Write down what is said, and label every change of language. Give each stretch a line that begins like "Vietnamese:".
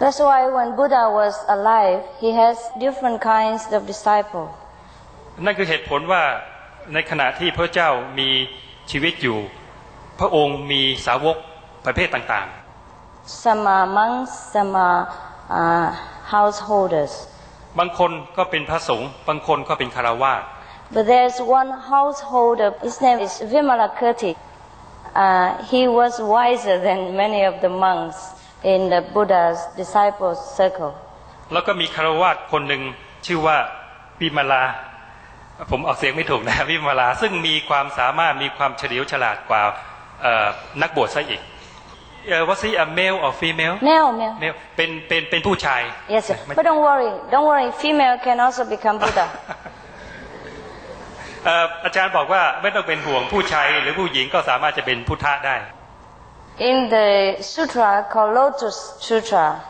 English: That's why when Buddha was alive, he has different kinds of disciples.
Thai: นั่นคือเหตุผลว่าในขณะที่พระเจ้ามีชีวิตอยู่พระองค์มีสาวกประเภทต่าง
English: ๆ Some are monks, some are householders.
Thai: บางคนก็เป็นพระสงฆ์บางคนก็เป็นคารวาส
English: But there's one householder, his name is Vimalakirti. He was wiser than many of the monks. In the Buddha's disciples circle.
Thai: แล้วก็มีคารวาสคนหนึ่งชื่อว่าวิมาลาผมออกเสียงไม่ถูกนะวิมาลาซึ่งมีความสามารถมีความเฉลียวฉลาดกว่านักบวชซะอีก
English: Was he a male or female? Male.
Thai: เป็นผู้ชาย
English: Yes, sir. But don't worry. Female can also become Buddha.
Thai: อาจารย์บอกว่าไม่ต้องเป็นห่วงผู้ชายหรือผู้หญิงก็สามารถจะเป็นพุทธะได้
English: In the sutra called Lotus Sutra.